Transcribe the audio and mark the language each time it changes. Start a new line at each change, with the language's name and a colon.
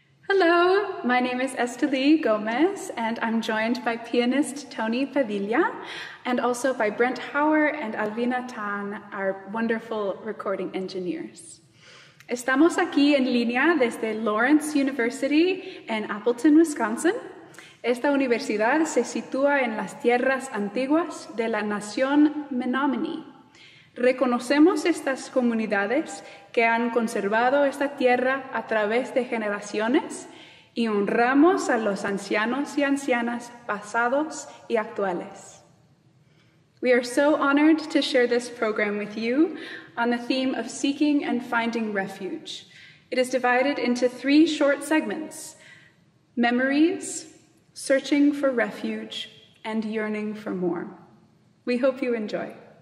English: Hello, my name is Esteli Gomez, and I'm joined by pianist Tony Padilla, and also by Brent Hauer and Alvina Tan, our wonderful recording engineers.
Spanish: Estamos aquí en línea desde Lawrence University en Appleton, Wisconsin. Esta universidad se sitúa en las tierras antiguas de la nación Menominee. Reconocemos estas comunidades que han conservado esta tierra a través de generaciones y honramos a los ancianos y ancianas pasados y actuales.
English: We are so honored to share this program with you on the theme of seeking and finding refuge. It is divided into three short segments: memories, searching for refuge, and yearning for more. We hope you enjoy.